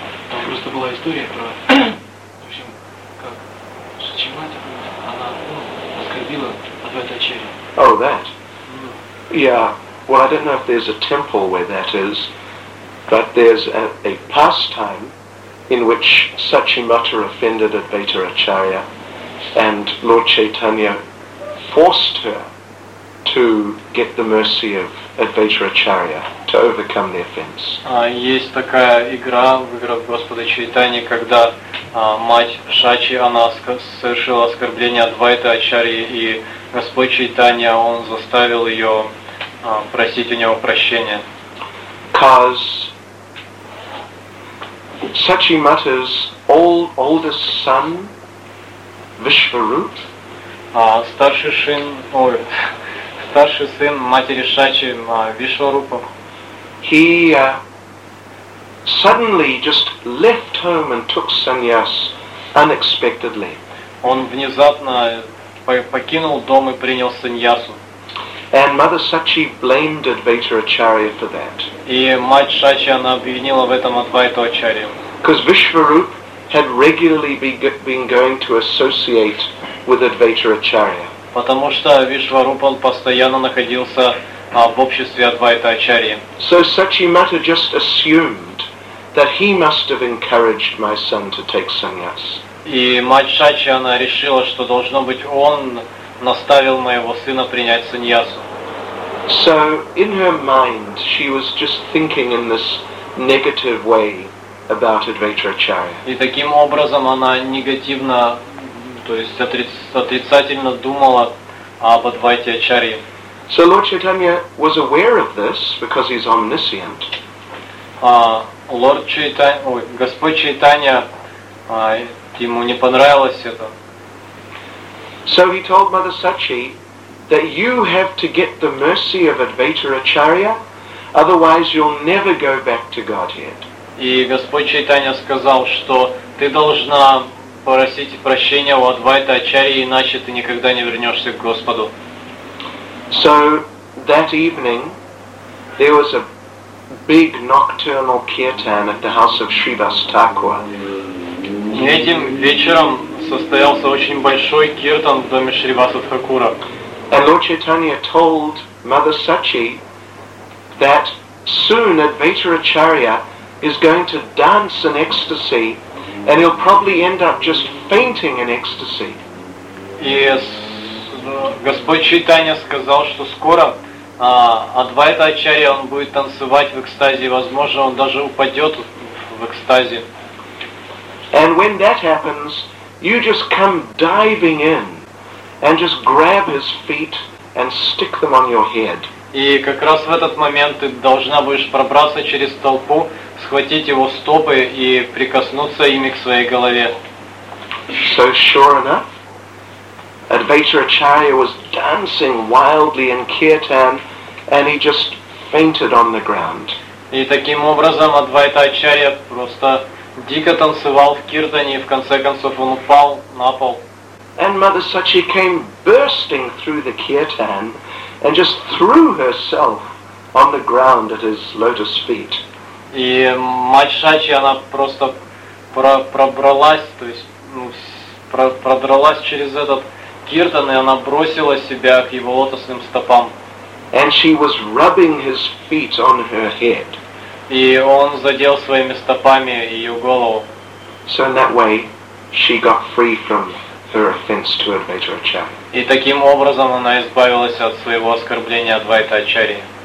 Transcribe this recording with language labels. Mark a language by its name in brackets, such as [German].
[Russian] Там просто была история про, в общем, как Шачимати, она оскорбила Адвайта Ачарью. [English] Oh, that. Yeah. Well, I don't know if there's a temple where that is, but there's a pastime in which Sachimata offended Advaita Acharya, and Lord Chaitanya forced her to get the mercy of Advaita Acharya to overcome the offense. [Russian] Есть такая игра в играх Господа Чайтани, когда мать Шачи, она совершила оскорбление Адвайта Ачарьи, и Господь Чайтани, он заставил ее просить у него прощения. [English] Because Sachimata's oldest son, Vishwarup, [Russian] старший сын матери Шачи, Вишварупа, [English] he suddenly just left home and took sannyas unexpectedly. [Russian] Он внезапно покинул дом и принял саньясу. [English] And Mother Sachi blamed Advaita Acharya for that. [Russian] И мать Шачи, она обвинила в этом Адвайту Ачарью. [English] Because Vishwarup had regularly been going to associate with Advaita Acharya. [Russian] Потому что Вишварупа, он постоянно находился в обществе Адвайта Ачарьи. [English] So Sachimata just assumed that he must have encouraged my son to take sannyas. [Russian] И мать Шачи, она решила, что должно быть он наставил моего сына принять саньясу. [English] So in her mind she was just thinking in this negative way about Advaita Acharya. [Russian] И таким образом она негативно то есть отрицательно думала об Адвайте Ачарье. [English] So Lord Chaitanya was aware of this because he's omniscient. [Russian] Господь Чайтанья, ему не понравилось это. [English] So he told Mother Sachi that you have to get the mercy of Advaita Acharya, otherwise you'll never go back to Godhead. [Russian] И Господь Чайтанья сказал, что ты должна просить прощения у Адвайта Ачарьи, иначе ты никогда не вернешься к Господу. [English] So that evening there was a big nocturnal kirtan at the house of Shrivas Thakur. [Russian] Этим вечером состоялся очень большой киртан в доме Шриваса Тхакура. [English] And Lord Chaitanya told Mother Sachi that soon Advaita Acharya is going to dance in ecstasy and he'll probably end up just fainting in ecstasy. Yes. [Russian] Господь Чайтанья сказал, что скоро Адвайта Ачарья он будет танцевать в экстазе, возможно, он даже упадет в экстазе. [English] And when that happens, you just come diving in and just grab his feet and stick them on your head. [Russian] И как раз в этот момент ты должна будешь пробраться через толпу, схватить его стопы и прикоснуться ими к своей голове. [English] So sure enough, Advaita Acharya was dancing wildly in kirtan, and he just fainted on the ground. [Russian] И таким образом Адвайта Ачарья просто дико танцевал в киртане, и в конце концов он упал на пол. [English] And Mother Sachi came bursting through the kirtan, and just threw herself on the ground at his lotus feet. [Russian] И мать Сачи она просто пробралась, то есть продралась через этот киртан, и она бросила себя к его лотосным стопам. [English] And she was rubbing his feet on her head. [Russian] И он задел своими стопами ее голову. [English] So in that way, she got free from her offense to Advaita Acharya. [Russian] И таким образом она избавилась от своего оскорбления Адвайта Ачарьи.